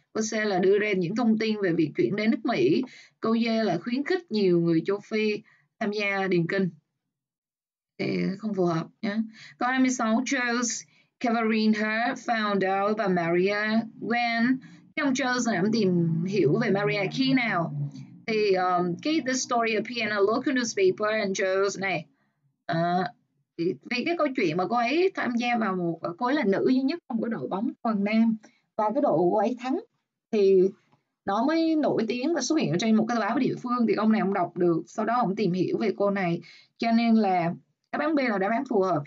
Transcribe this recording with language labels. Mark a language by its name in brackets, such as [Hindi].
[Vietnamese] Câu C là đưa ra những thông tin về việc chuyển đến nước Mỹ. Câu D là khuyến khích nhiều người châu Phi tham gia điền kinh. Thì không phù hợp nhé. Câu 26, [English] Charles Caverin her found out about Maria when. [Vietnamese] Cái ông Charles này ông tìm hiểu về Maria khi nào? Thì cái [English] the story appeared in a local newspaper and Charles này. [Vietnamese] Vì cái câu chuyện mà cô ấy tham gia vào một, cô ấy là nữ duy nhất trong cái đội bóng toàn nam, và cái đội cô ấy thắng thì nó mới nổi tiếng và xuất hiện ở trên một cái báo địa phương, thì ông này ông đọc được, sau đó ông tìm hiểu về cô này, cho nên là đáp án B là đáp án phù hợp.